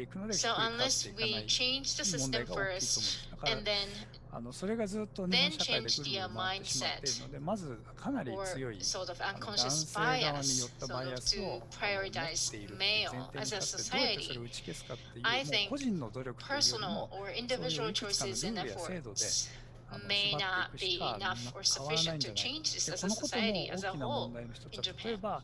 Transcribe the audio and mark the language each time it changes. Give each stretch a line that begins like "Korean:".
English: So unless we change the system first and then
Japanese: それがずっと日本社会でぐるぐる回ってしまっているので、まずかなり強い男性側によったバイアスを持っている前提に立ってどうやってそれを打ち消すかっていう、 もう個人の努力というよりもそういういくつかのルールや制度で
English: May not be enough or sufficient to change this as a society as a whole in Japan.